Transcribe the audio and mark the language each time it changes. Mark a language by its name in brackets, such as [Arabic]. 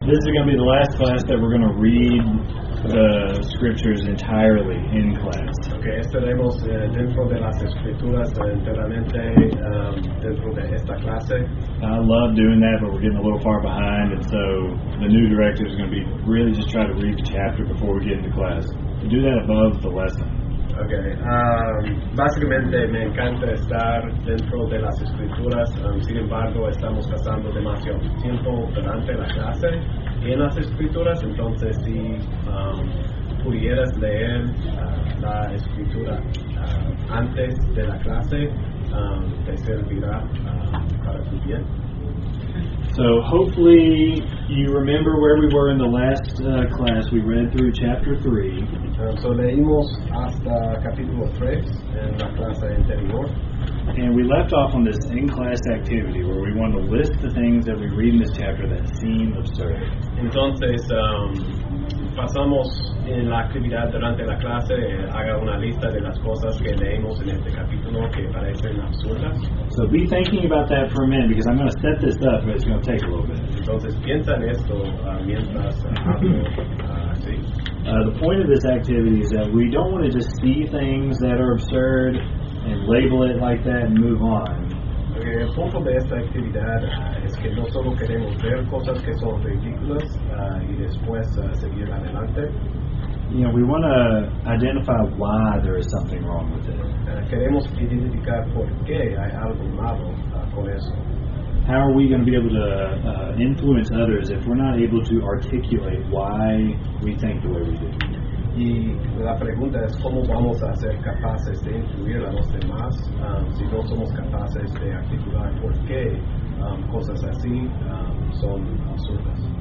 [English] This is going to be the last class that we're going to read the scriptures entirely in class. [Spanish] Okay, estaremos dentro de las escrituras enteramente dentro de esta clase. [English] I love doing that, but we're getting a little far behind, and so the new director is going to be really just try to read the chapter before we get into class. To do that above the lesson. [Spanish] Okay, básicamente me encanta estar dentro de las escrituras, sin embargo estamos pasando demasiado tiempo durante la clase y en las escrituras, entonces si pudieras leer la escritura antes de la clase, te servirá para tu bien. [English] So hopefully you remember where we were in the last class. We read through chapter 3. [Spanish] So leímos hasta capítulo 3 en la clase anterior. [English] And we left off on this in-class activity where we wanted to list the things that we read in this chapter that seem absurd. [Spanish] Entonces, pasamos en la actividad durante la clase, haga una lista de las cosas que leemos en este capítulo que parecen absurdas. [English] So be thinking about that for a minute because I'm going to set this up, but it's going to take a little bit. [Spanish] Entonces, piensa en esto mientras hablo así. [English] The point of this activity is that we don't want to just see things that are absurd and label it like that and move on. [Spanish] Okay, el punto de esta actividad es que no solo queremos ver cosas que son ridículas y después seguir adelante. [English] You know, we want to identify why there is something wrong with it. [Spanish] Queremos identificar por qué hay algo malo con eso. [English] How are we going to be able to influence others if we're not able to articulate why we think the way we do? [Spanish] Y la pregunta es cómo vamos a ser capaces de influir a los demás si no somos capaces de articular por qué cosas así son absurdas.